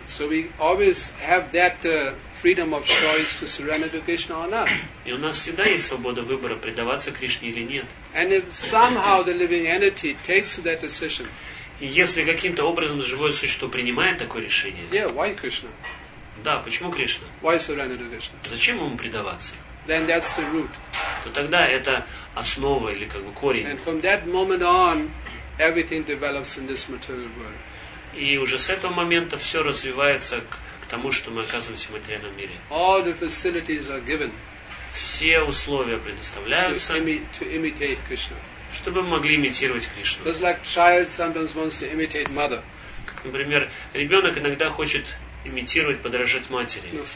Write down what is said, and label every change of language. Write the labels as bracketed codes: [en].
[en] So we always have that freedom of choice to surrender to Krishna or not. [ru] И у нас всегда есть свобода выбора, предаваться Кришне или нет. [en] And if somehow the living entity takes that decision, [ru] если каким-то образом живое существо принимает такое решение, [en] yeah, why Krishna? [ru] Да, почему Кришна? [en] Why surrender to Krishna? [ru] Зачем ему предаваться? [en] Then that's the root. [ru] То тогда это основа или как бы корень. [en] And from that moment on, everything develops in this material world. [ru] И уже с этого момента все развивается к тому, что мы оказываемся в материальном мире. [en] All the facilities are given. [ru] Все условия предоставляются. [en] To imitate Krishna. [ru] Чтобы мы могли имитировать Кришну. [en] Just like child sometimes wants to imitate mother. [ru] Как, например, ребенок иногда хочет имитировать, подражать матери.